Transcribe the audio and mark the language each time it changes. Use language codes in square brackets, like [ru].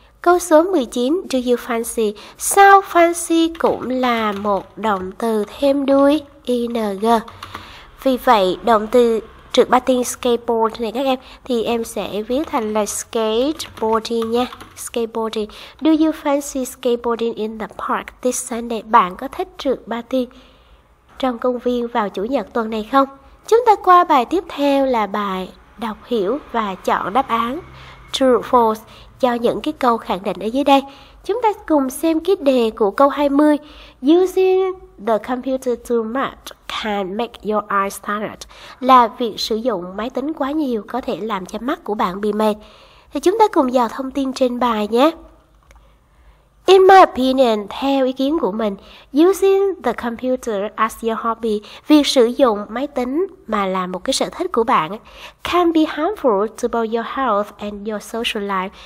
[vi] Câu số 19, [en] do you fancy? [vi] Sao fancy cũng là một động từ thêm đuôi ing? Vì vậy, động từ trực Batin skateboard này các em, thì em sẽ viết thành là skateboarding nha. [en] Skateboarding. Do you fancy skateboarding in the park this Sunday? [vi] Bạn có thích trượt Batin trong công viên vào chủ nhật tuần này không? Chúng ta qua bài tiếp theo là bài đọc hiểu và chọn đáp án true false cho những cái câu khẳng định ở dưới đây. Chúng ta cùng xem cái đề của câu 20. [en] Using the computer too much can make your eyes tired. [vi] Là việc sử dụng máy tính quá nhiều có thể làm cho mắt của bạn bị mệt. Thì chúng ta cùng dò thông tin trên bài nhé. [en] In my opinion, [vi] theo ý kiến của mình, [en] using the computer as your hobby, [vi] việc sử dụng máy tính mà là một cái sở thích của bạn, [en] can be harmful to both your health and your social life.